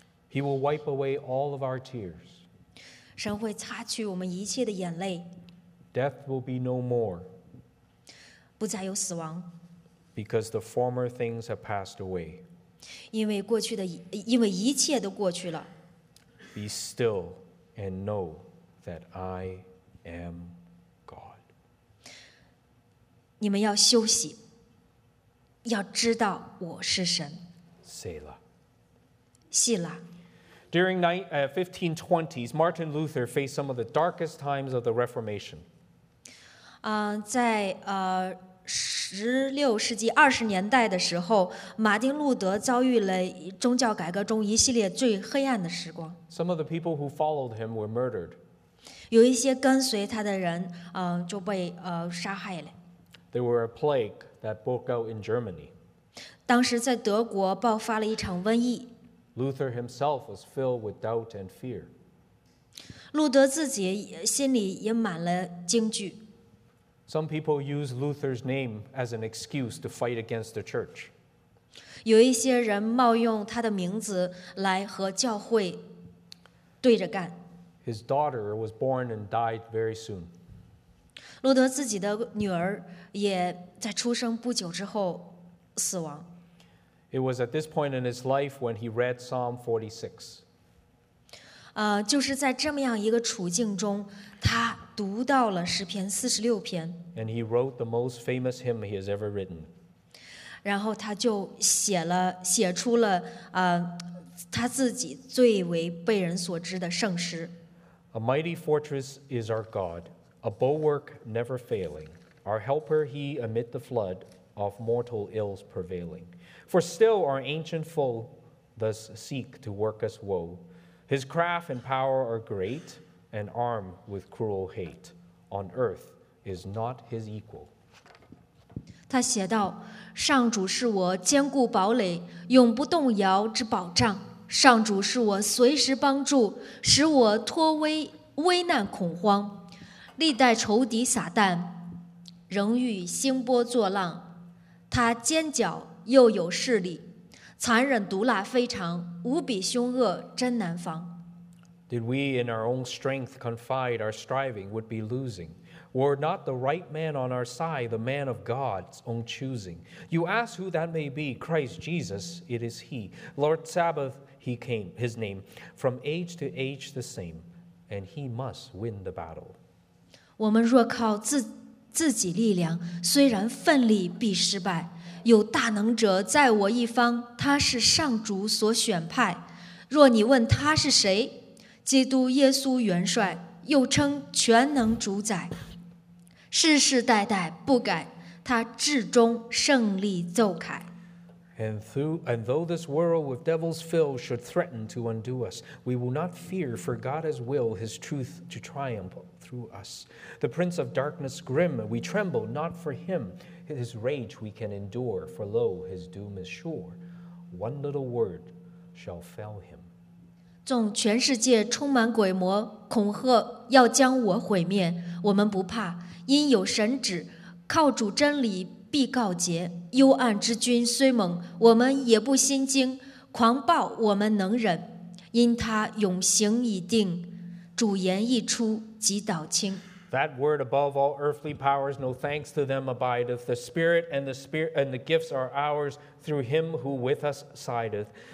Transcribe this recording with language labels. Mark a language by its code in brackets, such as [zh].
[en] He will wipe away all of our tears. [zh] 神会擦去我们一切的眼泪。 [en] Death will be no more. [zh] 不再有死亡。 [en] Because the former things have passed away. [zh] 因为一切都过去了。 [en] Be still and know that I am God. [zh] 你们要休息，要知道我是神。 [en] Selah. [zh] 希拉。 [en] During 1520s, Martin Luther faced some of the darkest times of the Reformation. [zh] 在16世纪20年代的时候，马丁路德遭遇了宗教改革中一系列最黑暗的时光。 [en] Some of the people who followed him were murdered. [zh] 有一些跟随他的人就被杀害了。 [en] There were a plague that broke out in Germany. [zh] 当时在德国爆发了一场瘟疫。 [en] Luther himself was filled with doubt and fear. [zh] 路德自己心里也满了惊惧。 [en] Some people use Luther's name as an excuse to fight against the church. [zh] 有一些人冒用他的名字来和教会对着干。 [en] His daughter was born and died very soon. [zh] 路德自己的女儿也在出生不久之后死亡。 [en] It was at this point in his life when he read Psalm 46. [zh] 就是在这么样一个处境中，他读到了诗篇四十六篇。 [en] And he wrote the most famous hymn he has ever written. [zh] 然后他就写出了他自己最为被人所知的圣诗。 [en] A mighty fortress is our God, a bulwark never failing, our helper he amid the flood of mortal ills prevailing. For still our ancient foe thus seek to work us woe. His craft and power are great, and armed with cruel hate. On earth is not his equal. [zh] 他写道，上主是我坚固堡垒，永不动摇之保障。上主是我随时帮助，使我脱危难恐慌。历代仇敌撒旦，仍遇兴波作浪。他尖角又有势力，残忍毒辣非常，无比凶恶，真难防。 [en] Did we in our own strength confide our striving would be losing? Were not the right man on our side the man of God's own choosing? You ask who that may be, Christ Jesus, it is he. Lord Sabbath, he came, his name, from age to age the same, and he must win the battle. [zh] 我们若靠自己力量，虽然奋力必失败。有大能者在我一方，他是上主所选派。若你问他是谁，基督耶稣元帅，又称全能主宰，世世代代不改，他至终胜利奏凯。 [en] And though this world with devils filled should threaten to undo us, we will not fear, for God has will his truth to triumph through us. The prince of darkness grim, we tremble not for him. His rage we can endure, for lo, his doom is sure. One little word shall fail him. [zh] 纵全世界充满鬼魔，恐吓要将我毁灭，我们不怕，因有神旨，靠主真理必告捷。幽暗之君虽猛，我们也不心惊，狂暴我们能忍，因他永行已定，主言一出即倒清。 [en] That word above all earthly powers, no thanks to them abideth. The Spirit and the gifts are ours through him who with us sideth.